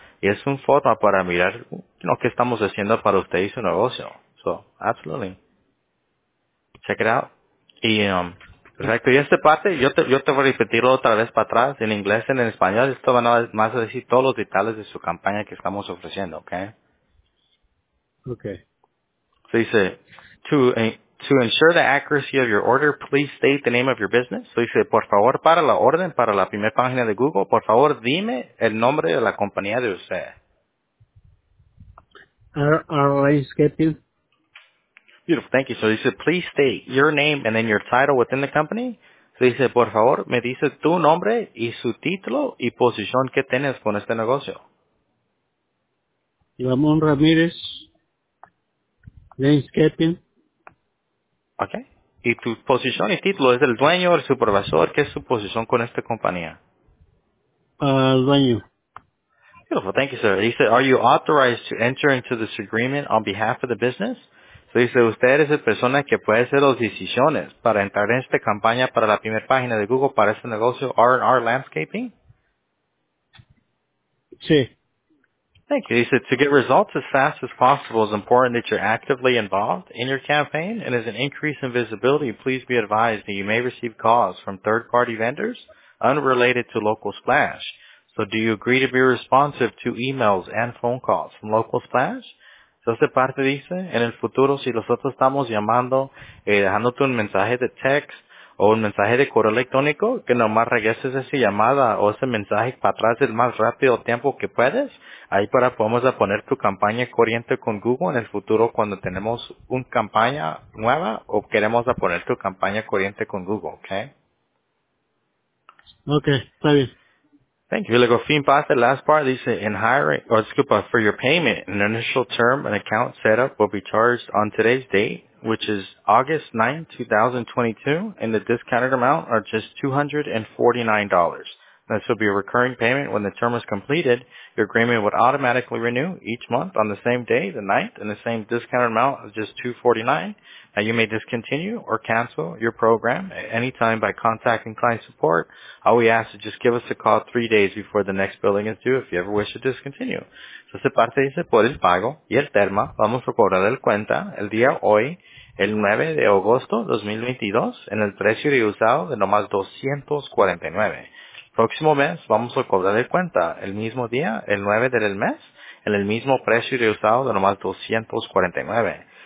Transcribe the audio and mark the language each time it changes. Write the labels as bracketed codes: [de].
[es] Y es una forma para mirar lo que estamos haciendo para usted y su negocio. [en] So, absolutely. Check it out. [es] Y, perfecto. Y esta parte, yo te voy a repetirlo otra vez para atrás, en inglés, en español. Esto va más a decir todos los detalles de su campaña que estamos ofreciendo, ¿ok? Ok. So dice, [en] to ensure the accuracy of your order, please state the name of your business. [es] So dice, por favor, para la orden, para la primera página de Google, por favor, dime el nombre de la compañía de usted. R-R-I-S-K-P-U. [en] Beautiful, thank you. So he said, please state your name and then your title within the company. So he said, [es] por favor, me dice tu nombre y su título y posición que tienes con este negocio. Ramón Ramírez, landscaping. [en] Okay. [es] Y tu posición y título, ¿es el dueño, el supervisor? ¿Qué es su posición con esta compañía? Dueño. [en] Beautiful, thank you, sir. He said, are you authorized to enter into this agreement on behalf of the business? [es] So dice, usted es la persona que puede hacer las decisiones para entrar en esta campaña para la primera página de Google para este negocio R&R Landscaping? Sí. [en] Thank you. He said, to get results as fast as possible, it's important that you're actively involved in your campaign. And as an increase in visibility, please be advised that you may receive calls from third-party vendors unrelated to Local Splash. So do you agree to be responsive to emails and phone calls from Local Splash? [es] Entonces, parte dice, en el futuro, si nosotros estamos llamando, dejándote un mensaje de text o un mensaje de correo electrónico, que nomás regreses esa llamada o ese mensaje para atrás el más rápido tiempo que puedes, ahí para podemos poner tu campaña corriente con Google en el futuro cuando tenemos una campaña nueva o queremos poner tu campaña corriente con Google, ¿ok? Ok, está bien. [en] Thank you. [es] Luego, fin parte, [en] the last part, dice, in hiring, or excuse me, for your payment, an initial term, an account setup will be charged on today's date which is August 9, 2022, and the discounted amount are just $249. This will be a recurring payment. When the term is completed, your agreement would automatically renew each month on the same day, the 9th, and the same discounted amount of just $249. Now, you may discontinue or cancel your program at any time by contacting client support. All we ask is just give us a call 3 days before the next billing is due if you ever wish to discontinue. [es] So, se parte dice por el pago y el termo, vamos a cobrar el cuenta el día hoy, el 9 de agosto 2022, en el precio de usado de nomás $249. Próximo mes vamos a cobrar el cuenta el mismo día, el 9 del mes, en el mismo precio de usado de nomás $249.